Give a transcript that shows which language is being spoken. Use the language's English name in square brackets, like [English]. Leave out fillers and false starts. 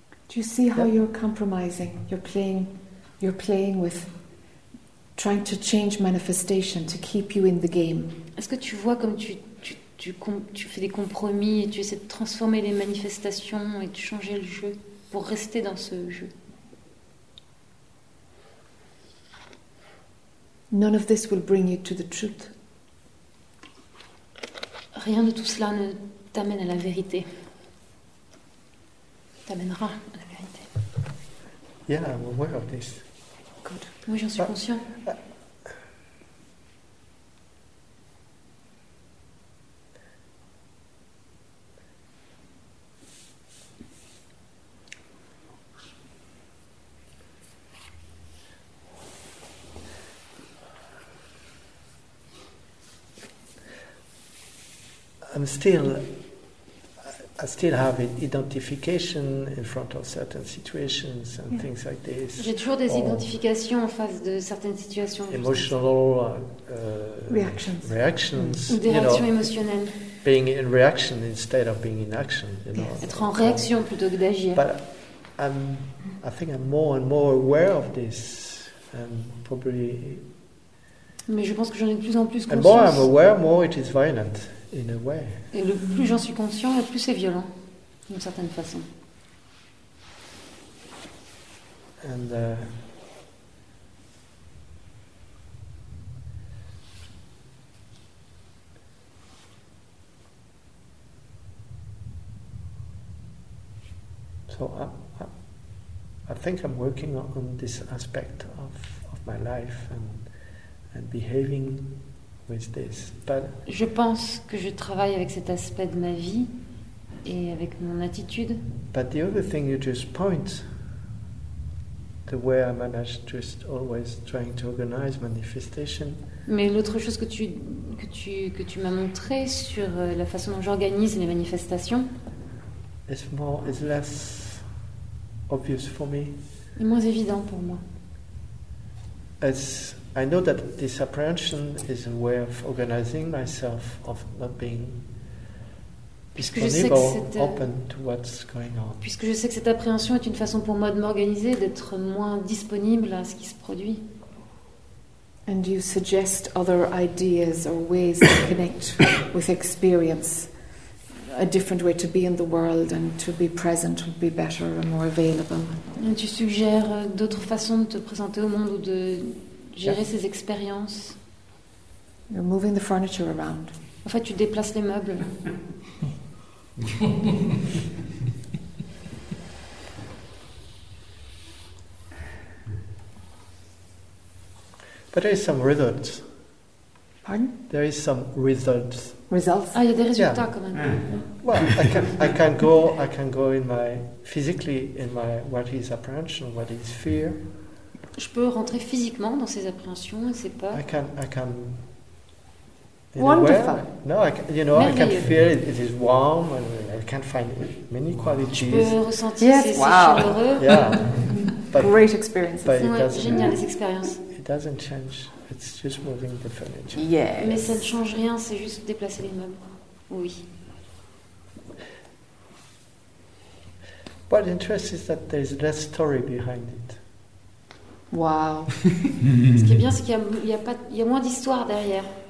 [English] Do you see how you're compromising? You're playing with trying to change manifestation to keep you in the game. [French] Est-ce que tu vois comme tu fais des compromis et tu essaies de transformer les manifestations et de changer le jeu pour rester dans ce jeu? [English] None of this will bring you to the truth. [French] Rien de tout cela ne t'amène à la vérité. T'amènera. [English] Yeah, I'm aware of this. [French] Good. Moi, j'en suis conscient. [English] I still have an identification in front of certain situations and things like this. [French] J'ai toujours des identifications en face de certaines situations. [English] Emotional reactions. [French] Ou des réactions émotionnelles. [English] Being in reaction instead of being in action. [French] Être en réaction plutôt que d'agir. [English] But I think I'm more and more aware of this, and probably. [French] Mais je pense que j'en ai de plus en plus conscience. [English] And more I'm aware, more it is violent. In a way. [French] Et le plus j'en suis conscient, le plus c'est violent, d'une certaine façon. [English] And so I think I'm working on this aspect of my life and behaving. With this, but [French] je pense que je travaille avec cet aspect de ma vie et avec mon attitude. [English] But the other thing you just point, the way I manage just always trying to organize manifestation. [French] Mais l'autre chose que tu m'as montré sur la façon dont j'organise les manifestations. [English] Is less obvious for me. [French] Est moins évident pour moi. [English] I know that this apprehension is a way of organizing myself, of not being [French] disponible, [English] open to what's going on. [French] Puisque je sais que cette appréhension est une façon pour moi de m'organiser, d'être moins disponible à ce qui se produit. [English] And you suggest other ideas or ways to connect with experience, a different way to be in the world and to be present would be better and more available. [French] Et tu suggères d'autres façons de te présenter au monde ou de gérer ses expériences. [English] You're moving the furniture around. [French] En fait, tu déplaces les meubles. [English] But there is some results. [French] Pardon? [English] There is some results. Results? [French] Ah, il y a des résultats quand même. [English] Well, I can go in my physically in my what is apprehension, what is fear. [French] Je peux rentrer physiquement dans ces appréhensions et ces peurs. [English] I can. Wonderful. I can feel it is warm and I can find many qualities. [French] Je peux ressentir ces chaleureux. [English] Yeah. But, great experiences. [French] But géniales expériences. [English] It doesn't change. It's just moving the furniture. Yes. [French] Mais ça ne change rien. C'est juste déplacer les meubles. Oui. [English] What interests is that there's less story behind it. Wow. [French] Ce qui est bien, c'est qu'il y a moins d'histoire derrière.